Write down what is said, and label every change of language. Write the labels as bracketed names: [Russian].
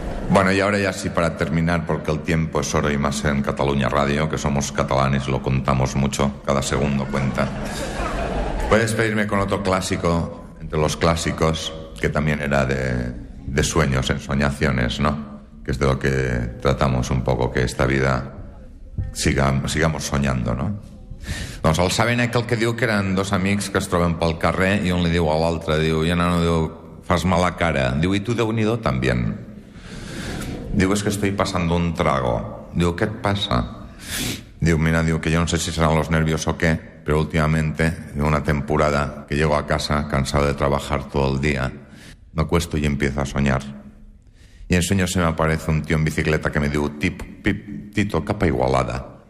[Spanish] Bueno, y ahora ya sí, para terminar, porque el tiempo es oro y más en Catalunya Radio, que somos catalanes, lo contamos mucho, cada segundo cuenta. Puedes pedirme con otro clásico. de los clásicos, que también era de sueños, ensoñaciones, ¿no? Que es de lo que tratamos un poco, que esta vida sigamos soñando, ¿no? [Catalan] Doncs el Sabinec el que diu que eren dos amics que es troben pel carrer i un li diu a l'altre, diu, i el nano diu, fas mala cara. Diu, i tu, Déu-n'hi-do, també. Diu, és que [Spanish] estoy pasando un trago. [Catalan] Diu, què et passa? Diu, mira, diu, que jo no sé si seran [Spanish] los nervios o què, però últimamente, en una temporada, que llego a casa cansado de trabajar todo el día, me acuesto y empiezo a soñar. Y en sueño se me aparece un tío en bicicleta que me diu, tip, pip, Tito, capa Igualada.